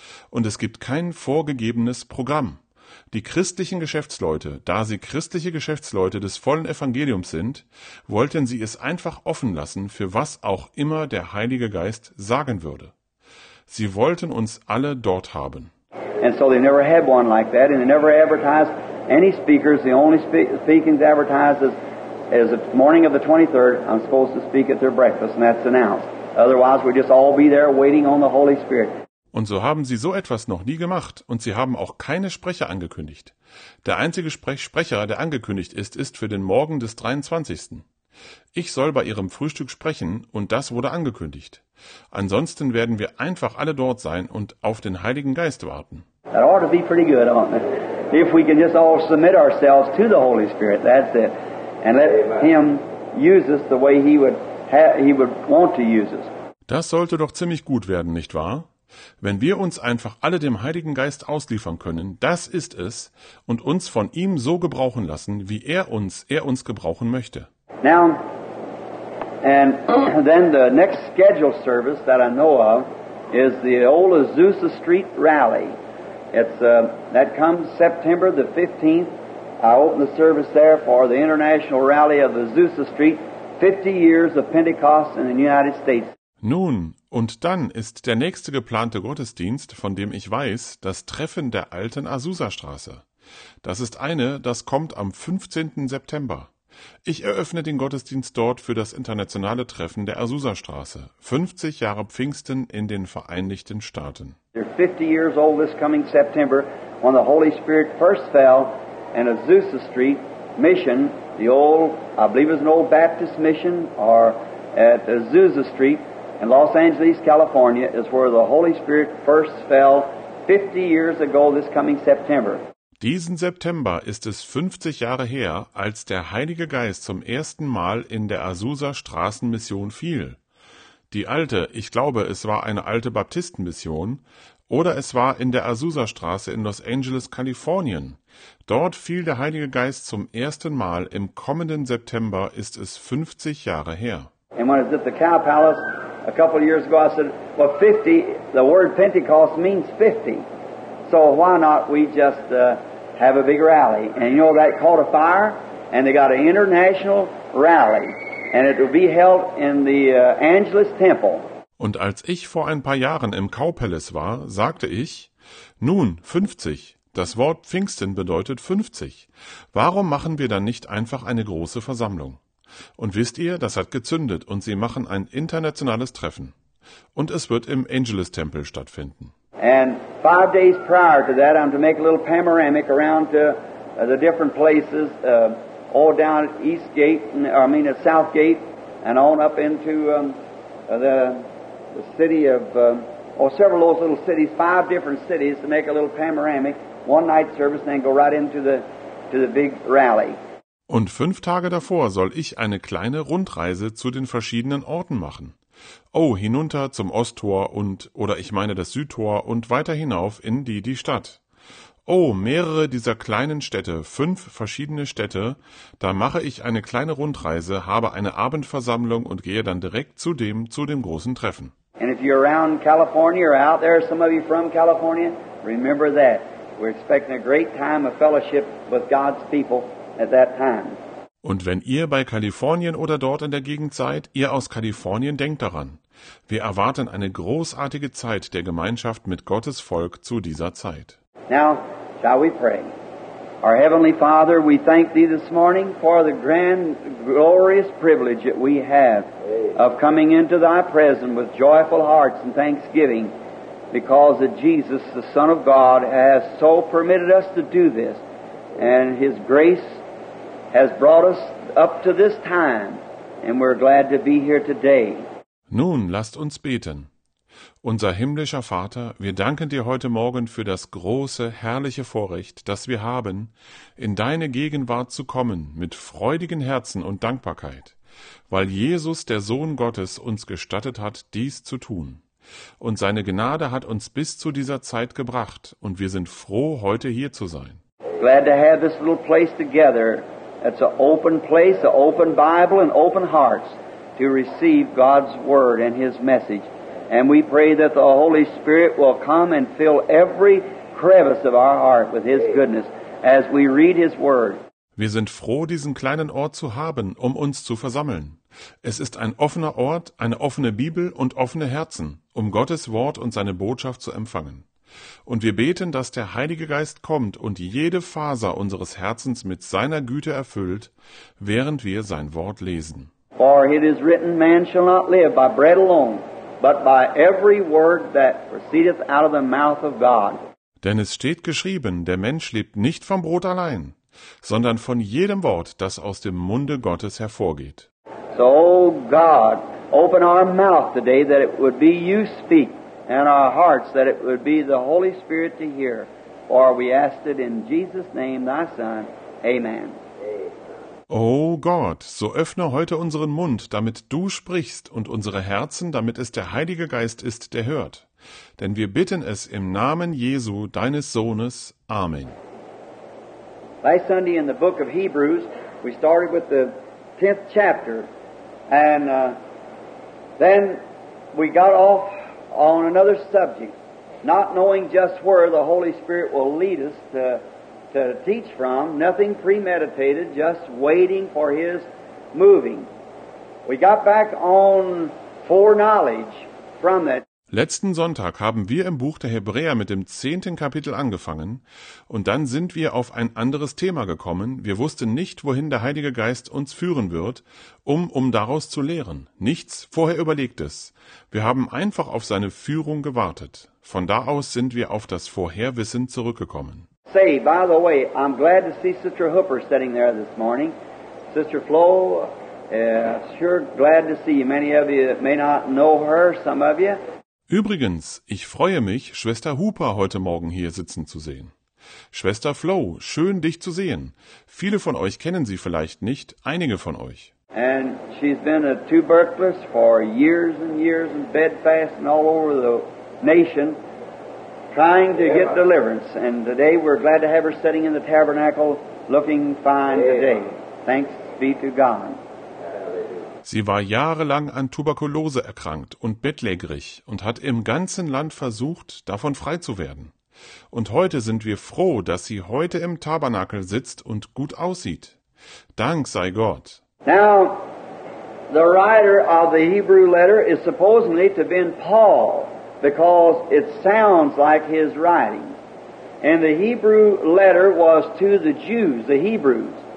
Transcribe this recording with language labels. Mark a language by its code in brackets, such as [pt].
[de] Und es gibt kein vorgegebenes Programm. Die christlichen Geschäftsleute, da sie christliche Geschäftsleute des vollen Evangeliums sind, wollten sie es einfach offen lassen, für was auch immer der Heilige Geist sagen würde. Sie wollten uns alle dort haben. [en] And so they never had one like that, and they never advertised any speakers. The only speaking advertised is the morning of the 23rd, I'm supposed to speak at their breakfast, and that's announced. Otherwise, we'd just all be there waiting on the Holy Spirit. [de] Und so haben sie so etwas noch nie gemacht, und sie haben auch keine Sprecher angekündigt. Der einzige Sprecher, der angekündigt ist, ist für den Morgen des 23. Ich soll bei ihrem Frühstück sprechen, und das wurde angekündigt. Ansonsten werden wir einfach alle dort sein und auf den Heiligen Geist warten. [en] That ought to be pretty good, aren't it? If we can just all submit ourselves to the Holy Spirit, that's it. And let Him use us the way He would want to use us. [de] Das sollte doch ziemlich gut werden, nicht wahr? Wenn wir uns einfach alle dem Heiligen Geist ausliefern können, das ist es, und uns von ihm so gebrauchen lassen, wie er uns gebrauchen möchte. [en] Now, and then the next scheduled service that I know of is the old Azusa Street Rally. That comes September the 15th. I open the service there for the International Rally of Azusa Street, 50 years of Pentecost in the United States. [de] Nun, und dann ist der nächste geplante Gottesdienst, von dem ich weiß, das Treffen der alten Azusa-Straße. Das ist eine, das kommt am 15. September. Ich eröffne den Gottesdienst dort für das internationale Treffen der Azusa-Straße, 50 Jahre Pfingsten in den Vereinigten Staaten. [en] They're 50 years old this coming September, when the Holy Spirit first fell in Azusa Street Mission, the old, I believe it's an old Baptist mission, or at Azusa Street. In Los Angeles, California, is where the Holy Spirit first fell 50 years ago this coming September. [de] Diesen September ist es 50 Jahre her, als der Heilige Geist zum ersten Mal in der Azusa Straßenmission fiel. Die alte, ich glaube, es war eine alte Baptistenmission, oder es war in der Azusa Straße in Los Angeles, Kalifornien. Dort fiel der Heilige Geist zum ersten Mal. Im kommenden September ist es 50 Jahre her. [en] And when it's at the Cow Palace, a couple of years ago, I said, well, 50, the word Pentecost means 50. So why not we just have a big rally? And you know, that caught a fire, and they got an international rally, and it will be held in the Angelus Temple. [de] Und als ich vor ein paar Jahren im Cow Palace war, sagte ich, nun, 50, das Wort Pfingsten bedeutet 50. Warum machen wir dann nicht einfach eine große Versammlung? Und wisst ihr, das hat gezündet und sie machen ein internationales Treffen. Und es wird im Angelus-Tempel stattfinden. [en] And 5 days prior to that, I'm to make a little panoramic around to the different places, all down at East Gate, I mean at South Gate, and on up into the city of, or several of those little cities, 5 different cities, to make a little panoramic. one night service and then go right into the big rally. [de] Und 5 Tage davor soll ich eine kleine Rundreise zu den verschiedenen Orten machen. Oh, hinunter zum Osttor und, oder ich meine das Südtor und weiter hinauf in die Stadt. Oh, mehrere dieser kleinen Städte, 5 verschiedene Städte, da mache ich eine kleine Rundreise, habe eine Abendversammlung und gehe dann direkt zu dem großen Treffen. [en] And if you're around California or out there, some of you from California, remember that. We're expecting a great time of fellowship with God's people at that time. [de] Und wenn ihr bei Kalifornien oder dort in der Gegend seid, ihr aus Kalifornien, denkt daran. Wir erwarten eine großartige Zeit der Gemeinschaft mit Gottes Volk zu dieser Zeit. [en] Now, shall we pray? Our Heavenly Father, we thank Thee this morning for the grand, glorious privilege that we have of coming into Thy presence with joyful hearts and thanksgiving because of Jesus, the Son of God, has so permitted us to do this and His grace has brought us up to this time, and we're glad to be here today. [de] Nun, lasst uns beten. Unser himmlischer Vater, wir danken dir heute Morgen für das große, herrliche Vorrecht, das wir haben, in deine Gegenwart zu kommen mit freudigen Herzen und Dankbarkeit, weil Jesus, der Sohn Gottes, uns gestattet hat, dies zu tun. Und seine Gnade hat uns bis zu dieser Zeit gebracht, und wir sind froh, heute hier zu sein. [en] Glad to have this little place together. It's an open place, an open Bible, and open hearts to receive God's Word and His message. And we pray that the Holy Spirit will come and fill every crevice of our heart with His goodness as we read His Word. [de] Wir sind froh, diesen kleinen Ort zu haben, um uns zu versammeln. Es ist ein offener Ort, eine offene Bibel und offene Herzen, um Gottes Wort und seine Botschaft zu empfangen. Und wir beten, dass der Heilige Geist kommt und jede Faser unseres Herzens mit seiner Güte erfüllt, während wir sein Wort lesen. [en] For it is written, man shall not live by bread alone, but by every word that proceedeth out of the mouth of God. [de] Denn es steht geschrieben, der Mensch lebt nicht vom Brot allein, sondern von jedem Wort, das aus dem Munde Gottes hervorgeht. [en] So, oh God, open our mouth today, that it would be you speak. And our hearts, that it would be the Holy Spirit to hear. For we ask it in Jesus' name, thy Son. Amen. [de] O Gott, so öffne heute unseren Mund, damit du sprichst, und unsere Herzen, damit es der Heilige Geist ist, der hört. Denn wir bitten es im Namen Jesu, deines Sohnes. Amen. [en] Last Sunday in the book of Hebrews, we started with the 10th chapter. And then we got off on another subject, not knowing just where the Holy Spirit will lead us to teach from, nothing premeditated, just waiting for His moving. We got back on foreknowledge from that. [de] Letzten Sonntag haben wir im Buch der Hebräer mit dem 10. Kapitel angefangen und dann sind wir auf ein anderes Thema gekommen. Wir wussten nicht, wohin der Heilige Geist uns führen wird, um daraus zu lehren. Nichts vorher Überlegtes. Wir haben einfach auf seine Führung gewartet. Von da aus sind wir auf das Vorherwissen zurückgekommen. [en] Say, by the way, I'm glad to see Sister Hooper sitting there this morning. Sister Flo, sure glad to see you. Many of you may not know her, some of you. [de] Übrigens, ich freue mich, Schwester Hooper heute Morgen hier sitzen zu sehen. Schwester Flo, schön, dich zu sehen. Viele von euch kennen sie vielleicht nicht, einige von euch. [en] And she's been a tuberculist for years and years and bedfast and all over the nation trying to get deliverance. And today we're glad to have her sitting in the tabernacle looking fine today. Thanks be to God. [de] Sie war jahrelang an Tuberkulose erkrankt und bettlägerig und hat im ganzen Land versucht, davon frei zu werden. Und heute sind wir froh, dass sie heute im Tabernakel sitzt und gut aussieht. Dank sei Gott. [en] Now, the writer of the Hebrew letter is supposedly to be Paul, because it sounds like his writing. And the Hebrew letter was to the Jews, the Hebrews.